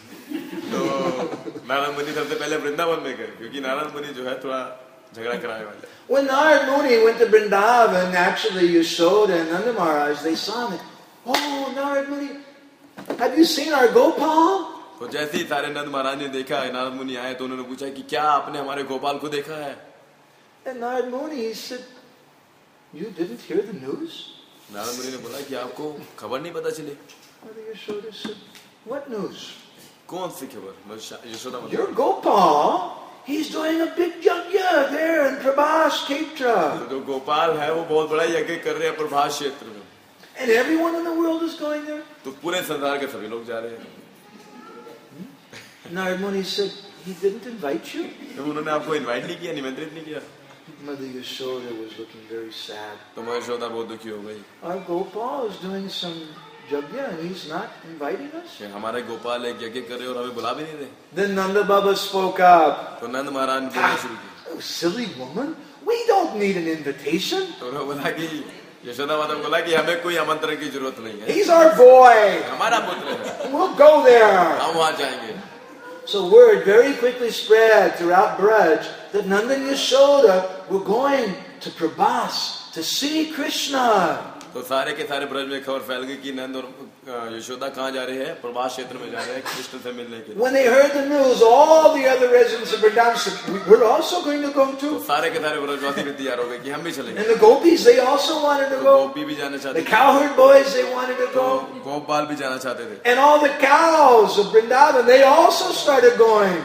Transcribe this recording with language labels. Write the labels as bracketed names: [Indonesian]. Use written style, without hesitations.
[Hindi] तो नारद मुनि सबसे पहले वृंदावन में गए, क्योंकि नारद मुनि जो है थोड़ा झगड़ा कराने वाले. [English] When Narad Muni went to Vrindavan, actually Yashoda and Nanda Maharaj, they saw him. Oh, Narad Muni, have you seen our Gopal? [Hindi] तो जैसे ही सारे नंद महाराज ने देखा नारद मुनि आए, तो उन्होंने पूछा कि क्या आपने हमारे गोपाल को देखा है? [English] And Narad Muni said, you didn't hear the news? [Hindi] Narad मुनि ने बोला कि आपको खबर नहीं पता चली? [English] What news? [Hindi] कौन सी खबर? यशोदा मतलब. [English] Your Gopal, he's doing a big yagya there in Prabhas Kshetra. [Hindi] तो गोपाल है वो बहुत बड़ा यज्ञ कर रहे हैं प्रभास क्षेत्र में. [English] And everyone in the world is going there. [Hindi] तो पूरे संसार के सभी लोग जा रहे हैं. [English] Narad Muni said he didn't invite you. [Hindi] तो उन्होंने आपको इनवाइट नहीं किया, निमंत्रित नहीं किया. [English] Mother Yashoda was looking very sad. [Hindi] तो यशोदा बहुत दुखी हो गई. [English] Our Gopal is doing some यज्ञ [Hindi] हमारे गोपाल एक यज्ञ कर रहे और हमें बुला भी नहीं रहे. [English] Then Nanda Baba spoke up. [Hindi] तो नंद महाराज ने बोलना शुरू किया. [English] Silly woman, we don't need an invitation. [Hindi] तो वो बोला कि यशोदा माता बोला कि हमें कोई आमंत्रण की जरूरत नहीं है. [English] He's our boy. [Hindi] हमारा पुत्र है. [English] We'll go there. [Hindi] हम वहां जाएंगे. [English] So word very quickly spread throughout Braj that Nanda and Yashoda were going to Prabhas to see Krishna. [Hindi] तो सारे के सारे ब्रज में खबर फैल गई कि नंद और यशोदा कहाँ जा रहे हैं. प्रभास क्षेत्र में जा रहे हैं कृष्ण से मिलने के लिए. [English] When they heard the news, all the other residents of Vrindavan said, "We're also going to go too." [Hindi] सारे के सारे ब्रजवासी भी तैयार हो गए कि हम भी चलेंगे. [English] And the gopis, they also wanted to go. [Hindi] गोपी भी जाना चाहते थे. [English] The cowherd boys, they wanted to go. [Hindi] Gopal भी जाना चाहते थे. [English] And all the cows of Vrindavan, they also started going.